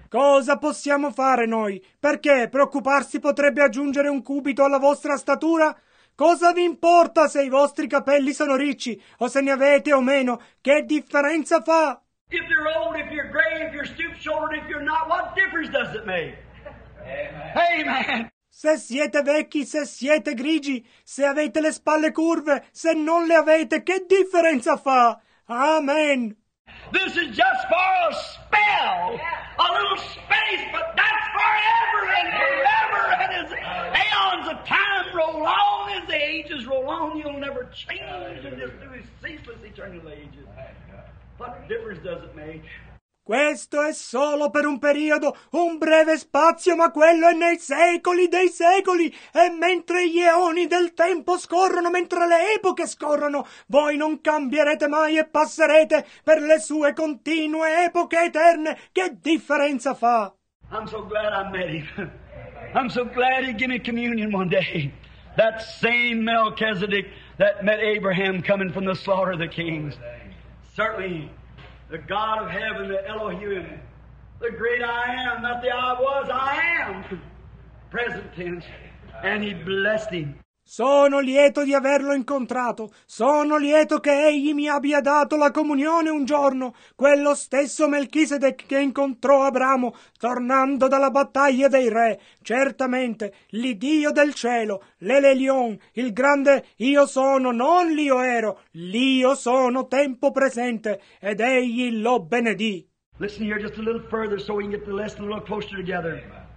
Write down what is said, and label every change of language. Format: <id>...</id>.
<it>Cosa possiamo fare noi? Perché preoccuparsi potrebbe aggiungere un cubito alla vostra statura? Cosa vi importa se i vostri capelli sono ricci o se ne avete o meno? Che differenza fa?</it> <en>If you're old, if you're gray, if you're stoop-shouldered, if you're not, what difference does it make? Amen. Amen.</en> <it>Se siete vecchi, se siete grigi, se avete le spalle curve, se non le avete, che differenza fa? Amen.</it> <en>This is just for a spell, a little space, but that's forever and forever. And as aeons of time roll on, as the ages roll on, you'll never change. And this new is ceaseless eternal ages. What difference does it make?</en> <it>Questo è solo per un periodo, un breve spazio, ma quello è nei secoli dei secoli. E mentre gli eoni del tempo scorrono, mentre le epoche scorrono, voi non cambierete mai e passerete per le sue continue epoche eterne. Che differenza fa?</it> <en>I'm so glad I met him. I'm so glad he gave me communion one day. That same Melchizedek that met Abraham coming from the slaughter of the kings. Certainly. The God of heaven, the Elohim, the great I am, not the I was, I am, present tense, and he blessed him.</en> <it>Sono lieto di averlo incontrato. Sono lieto che egli mi abbia dato la comunione un giorno. Quello stesso Melchisedec che incontrò Abramo tornando dalla battaglia dei re. Certamente, l'Iddio del cielo, l'Elelion, il grande Io sono, non l'Io ero, l'Io sono tempo presente, ed egli lo benedì.</it> <en>Listen here just a little further so we can get the lesson a little closer together.</en>